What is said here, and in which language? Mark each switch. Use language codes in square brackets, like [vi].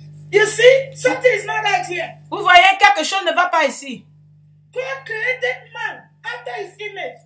[en] You see, something is not right here. [fr] Vous voyez, quelque chose ne va pas ici. [en] God created man after his image.